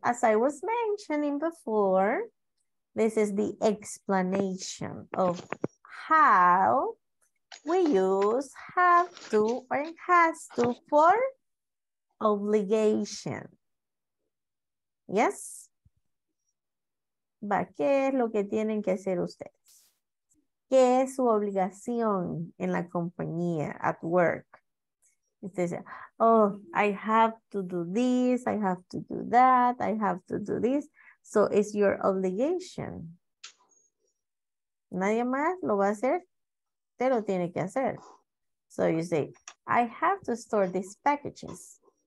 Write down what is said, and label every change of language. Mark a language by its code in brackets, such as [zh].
[en] As I was mentioning before, this is the explanation of how we use have to or has to for obligation. Yes? ¿Va? [es] ¿Qué es lo que tienen que hacer ustedes? ¿Qué es su obligación en la compañía, [en] at work? [es] Ustedes dicen, [en] oh, I have to do this, I have to do that, I have to do this. So it's your obligation. [es] Nadie más lo va a hacer. Usted lo tiene que hacer. [en] So you say, I have to store these packages.